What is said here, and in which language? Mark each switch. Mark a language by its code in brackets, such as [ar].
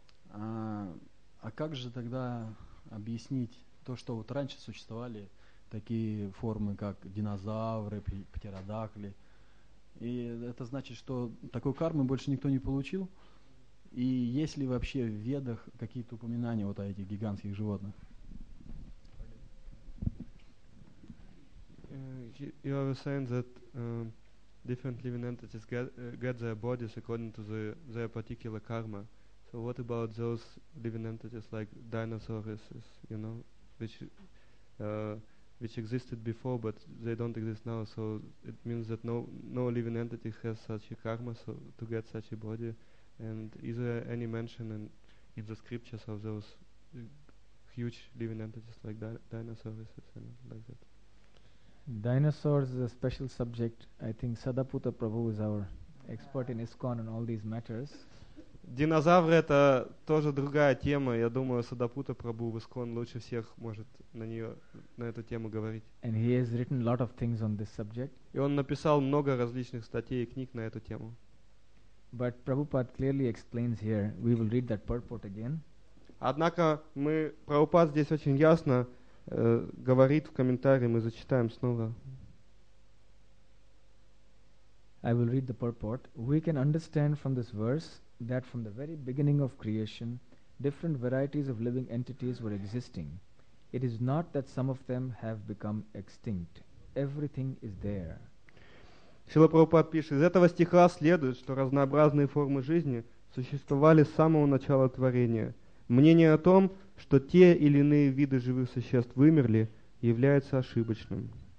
[ru] А как же тогда объяснить то, что вот раньше существовали такие формы, как динозавры, птеродактили? И это значит, что такой кармы больше никто не получил? И есть ли вообще в Ведах какие-то упоминания вот о этих гигантских животных? [en] You are saying that different living entities get their bodies according to their particular karma. So what about those living entities like dinosaurs, you know, which existed before, but they don't exist now. So it means that no living entity has such a karma so to get such a body. And is there any mention in the scriptures of those huge living entities like dinosaurs and like that? Dinosaurs is a special subject. I think Sadaputa Prabhu is our expert in ISKCON and all these matters. [ru] Динозавры это тоже другая тема. Я думаю, Садапута Прабу в ИСКОН лучше всех может на нее, на эту тему говорить. [en] And he has written a lot of things on this subject. [ru] И он написал много различных статей и книг на эту тему. [en] But Prabhupada clearly explains here. We will read that purport again. [ru] Однако мы Прабхупад здесь очень ясно говорит в комментарии, мы зачитаем снова. [en] I will read the purport. We can understand from this verse that from the very beginning of creation, different varieties of living entities were existing. It is not that some of them have become extinct. Everything is there. [ru] Шрила Прабхупад пишет, из этого стиха следует, что разнообразные формы жизни существовали с самого начала творения. Мнение о том, что те или иные виды живых существ вымерли, является ошибочным.